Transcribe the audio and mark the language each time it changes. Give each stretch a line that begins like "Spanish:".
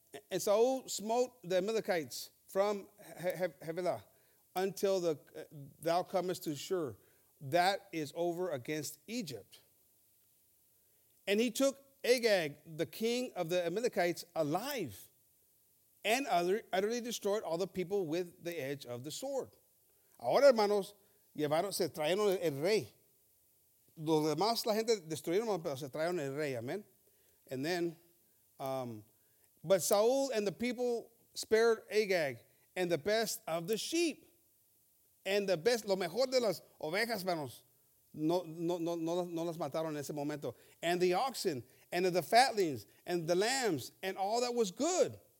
English: And Saul smote the Amalekites from Havilah until thou comest to Shur, that is over against Egypt. And he took Agag, the king of the Amalekites, alive, and utterly destroyed all the people with the edge of the sword.
Spanish: Ahora, hermanos, llevaron, se trajeron el rey. Los demás, la gente destruyeron, pero se trajeron el rey. Amen.
English: And then, but Saul and the people spared Agag and the best of the sheep. And the best,
Spanish: lo mejor de las ovejas, hermanos, no las mataron en ese momento.
English: And the oxen, and the fatlings, and the lambs, and all that was good.